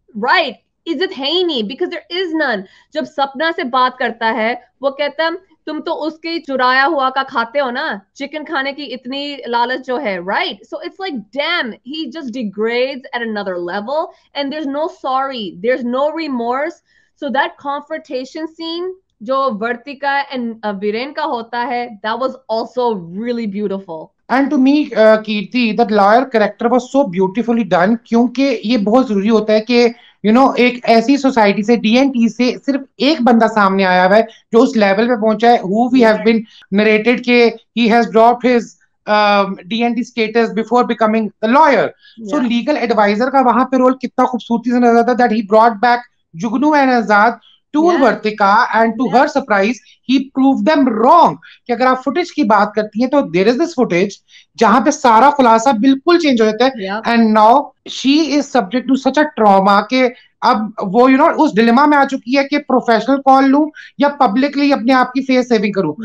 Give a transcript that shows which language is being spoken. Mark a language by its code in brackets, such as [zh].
[hi] Right, इज्जत है ही नहीं, [en] Because there is none. [hi] जब सपना से बात करता है वो कहता तुम तो उसके चुराया हुआ का खाते हो ना, चिकन खाने की इतनी लालच जो है. [en] Right, so it's like damn, he just degrades at another level and there is no sorry, there is no remorse. So that confrontation scene जो Vartika and Viren का होता है, that was also really beautiful. And to me, Kirti, that lawyer character was so beautifully done, [hi] क्योंकि ये बहुत जरूरी होता है कि [en] you know, एक ऐसी society से, DNT [hi] से सिर्फ एक बंदा सामने आया हुआ है जो उस level पे पहुंचा है, [en] who we have been narrated के he has dropped his DNT status before becoming the lawyer. So legal advisor [hi] का वहां पे रोल कितना खूबसूरती से नजर आता, [en] that he brought back Jugnu and Azad to Vartika and to her surprise he prove them wrong. [hi] कि अगर आप फुटेज की बात करती हैं तो [en] there is this footage [hi] जहां पे सारा खुलासा बिल्कुल चेंज हो जाता है [en] and now she is subject to such a trauma [hi] के अब वो यू नो उस डिलेमा में आ चुकी है कि प्रोफेशनल कॉल लूं या पब्लिकली अपने आप की फेस सेविंग करूं.